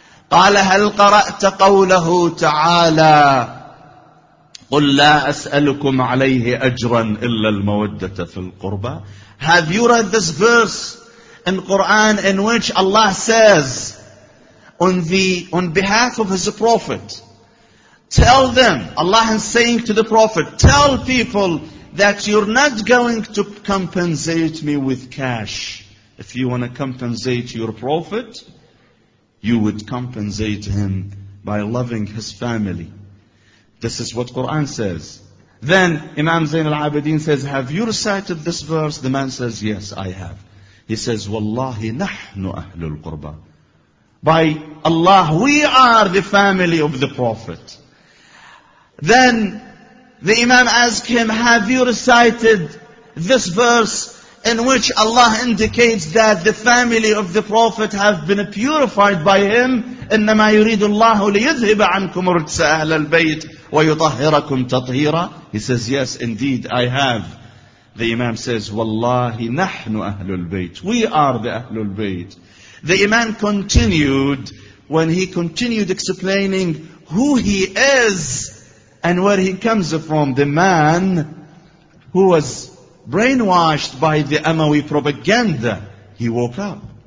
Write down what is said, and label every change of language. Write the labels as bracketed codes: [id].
[ar] قال هل قرأت قوله تعالى قل لا أسألكم عليه أجرا إلا المودة في القربى. [en] Have you read this verse in Quran in which Allah says on behalf of His Prophet, tell them, Allah is saying to the Prophet, tell people that you're not going to compensate me with cash. If you want to compensate your Prophet, you would compensate him by loving his family. This is what Quran says. Then Imam Zain al-Abidin says, have you recited this verse? The man says, yes, I have. He says, [ar] wallahi nahnu ahlul qurba. [en] By Allah, we are the family of the Prophet. Then the Imam asks him, have you recited this verse in which Allah indicates that the family of the Prophet have been purified by him? [ar] إِنَّمَا يُرِيدُ اللَّهُ لِيُذْهِبَ عَنْكُمْ رِجْسَ أَهْلَ الْبَيْتِ وَيُطَهِّرَكُمْ تَطْهِيرًا. [en] He says, yes, indeed, I have. The Imam says, [ar] وَاللَّهِ نَحْنُ أَهْلُ الْبَيْتِ. [en] We are the أَهْلُ الْبَيْتِ. The Imam continued, when he continued explaining who he is and where he comes from, the man who was brainwashed by the Amawi propaganda, he woke up